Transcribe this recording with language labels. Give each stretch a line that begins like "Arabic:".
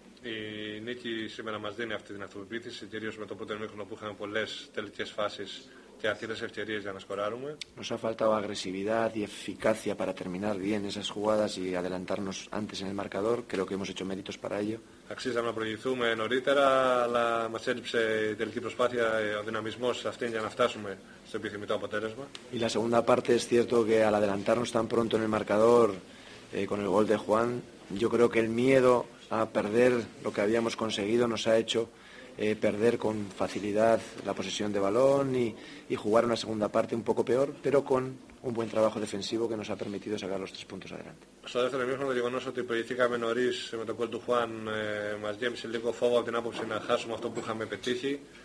Greek: Η νίκη σήμερα μας δίνει αυτή την αυτοπεποίθηση, κυρίως με το πρώτο ημίχρονο που είχαμε πολλές τελικές φάσεις και αρκετές ευκαιρίες για να σκοράρουμε.
Spanish: Nos ha faltado agresividad y eficacia para terminar bien esas jugadas y adelantarnos antes en el marcador. Creo que hemos hecho méritos para ello.
Greek: Αξίζαμε να προηγηθούμε νωρίτερα, αλλά μας έλειψε η τελική προσπάθεια, ο δυναμισμός αυτήν για να φτάσουμε στο επιθυμητό αποτέλεσμα.
Spanish: Y la segunda parte es cierto que al adelantarnos tan pronto en el marcador con el gol de Juan, yo creo que el miedo a perder lo que habíamos conseguido nos ha hecho perder con facilidad la posesión de balón y jugar una segunda parte un poco peor, pero con un buen trabajo defensivo que nos ha permitido sacar los tres puntos adelante.
Greek: Στο δεύτερο ημίχρονο, γεγονός ότι προηγηθήκαμε νωρίς με τον κόλ του Χουάν, μας γέμισε λίγο φόβο από την άποψη να χάσουμε αυτό που είχαμε πετύχει.